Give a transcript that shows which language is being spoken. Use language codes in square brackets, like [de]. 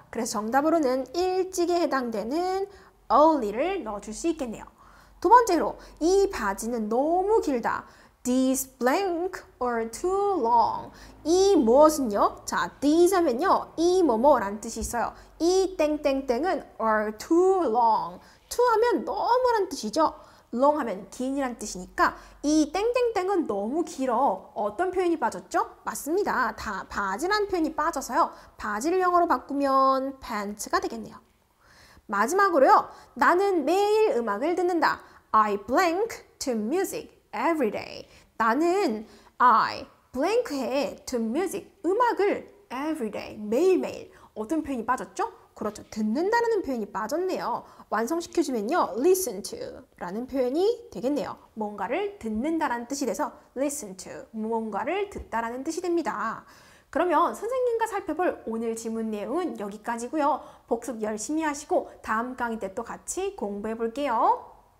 [ko] 그래서 정답으로는 일찍에 해당되는 early를 넣어줄 수 있겠네요. 두 번째로, 이 바지는 너무 길다. [en] This blank or too long. [ko] 이 무엇은요? 자, this 하면요, 이 뭐뭐라는 뜻이 있어요. 이 땡땡땡은 [en] or too long. [ko] too 하면 너무라는 뜻이죠. long 하면 긴이란 뜻이니까 이 땡땡땡은 너무 길어. 어떤 표현이 빠졌죠? 맞습니다. 다 바지란 표현이 빠져서요. 바지를 영어로 바꾸면 pants가 되겠네요. 마지막으로요. 나는 매일 음악을 듣는다. [en] I blank to music every day. 나는 I blank 해 to music 음악을 every day 매일매일. [ko] 어떤 표현이 빠졌죠? 그렇죠. 듣는다라는 표현이 빠졌네요. 완성시켜주면요, listen to라는 표현이 되겠네요. 뭔가를 듣는다라는 뜻이 돼서 listen to, 뭔가를 듣다라는 뜻이 됩니다. 그러면 선생님과 살펴볼 오늘 지문 내용은 여기까지고요. 복습 열심히 하시고 다음 강의 때 또 같이 공부해 볼게요.